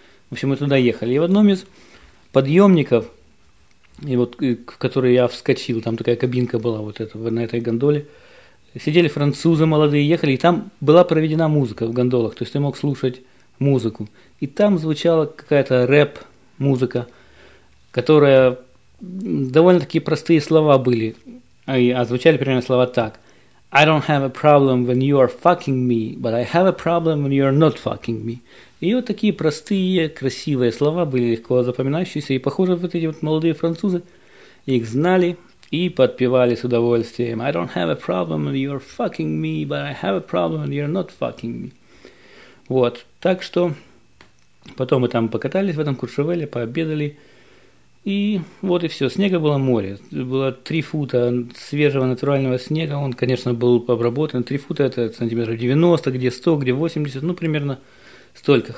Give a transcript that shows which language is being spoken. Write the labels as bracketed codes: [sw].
[ru] В общем, мы туда ехали, и в одном из подъемников, и вот, в который я вскочил, там такая кабинка была вот эта, на этой гондоле, сидели французы молодые, ехали, и там была проведена музыка в гондолах, то есть ты мог слушать музыку. И там звучала какая-то рэп-музыка, которая довольно-таки простые слова были, а звучали примерно слова так. [en] I don't have a problem when you are fucking me, but I have a problem when you are not fucking me. [ru] И вот такие простые, красивые слова были легко запоминающиеся, и, похоже, вот эти вот молодые французы их знали и подпевали с удовольствием. [en] I don't have a problem when you're fucking me, but I have a problem when you're not fucking me. [ru] Вот, так что потом мы там покатались в этом Куршевеле, пообедали, и вот и все. Снега было море, было 3 фута свежего натурального снега, он, конечно, был обработан, 3 фута – это сантиметров 90, где 100, где 80, ну, примерно столько.